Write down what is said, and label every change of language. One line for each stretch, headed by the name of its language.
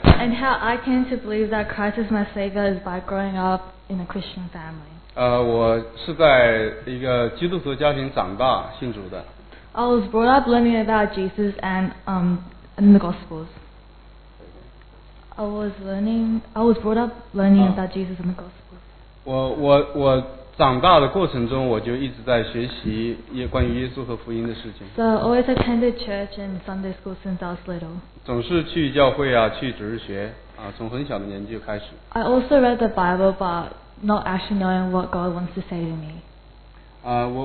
English: And how I came to believe that Christ is my Savior is by growing up in a Christian family.
Chinese: 我是在一个基督徒家庭长大，信主的。
English: I was brought up learning about Jesus and the Gospels. About Jesus and the Gospels.
Chinese: 我长大的过程中，我就一直在学习关于耶稣和福音的事情。
English: So I always attended church and Sunday school since I was little.
Chinese: 总是去教会啊，去主日学啊，从很小的年纪就开始。
English: I also read the Bible, but not actually knowing what God wants to say to me.